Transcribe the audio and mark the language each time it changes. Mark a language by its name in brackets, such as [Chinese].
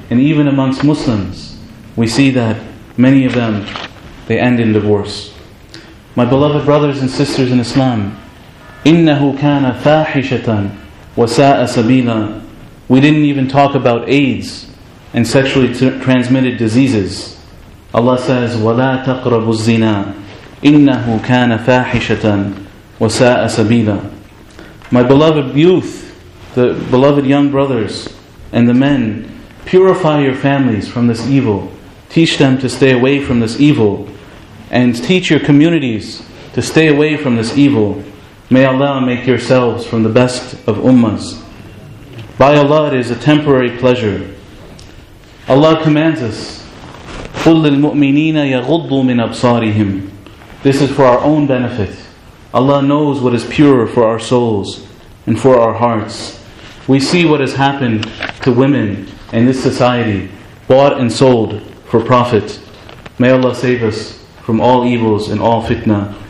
[English] And even amongst Muslims, we see that many of them, they end in divorce. My beloved brothers and sisters in Islam, [Arabic] إِنَّهُ كَانَ فَاحِشَةً وَسَاءَ سَبِيلًا. [English] We didn't even talk about AIDS and sexually transmitted diseases. Allah says, [Arabic] وَلَا تَقْرَبُوا الزِّنَا إِنَّهُ كَانَ فَاحِشَةً وَسَاءَ سَبِيلًا. [English] My beloved youth, the beloved young brothers and the men, purify your families from this evil. Teach them to stay away from this evil. And teach your communities to stay away from this evil. May Allah make yourselves from the best of ummas. By Allah, it is a temporary pleasure. Allah commands us, [Arabic] قُلْ لِلْمُؤْمِنِينَ يَغُضُّوا مِنْ أَبْصَارِهِمْ. [English] This is for our own benefit. Allah knows what is pure for our souls and for our hearts. We see what has happened to women in this society, bought and sold for profit. May Allah save us from all evils and all fitna.